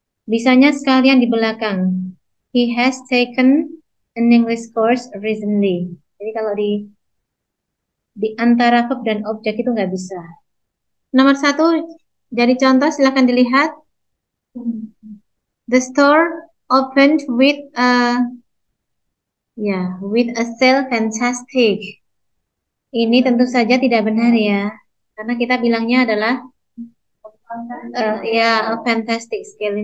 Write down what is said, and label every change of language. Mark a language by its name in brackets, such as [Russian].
[Indonesian] Bisanya sekalian di belakang. [English] He has taken an English course recently. [Indonesian] Jadi kalau di antara verb dan objek itu nggak bisa. Nomor satu, dari contoh silahkan dilihat. [English] The store opened with a with a sale fantastic. [Indonesian] Ini tentu saja tidak benar ya, karena kita bilangnya adalah [English] a fantastic sale.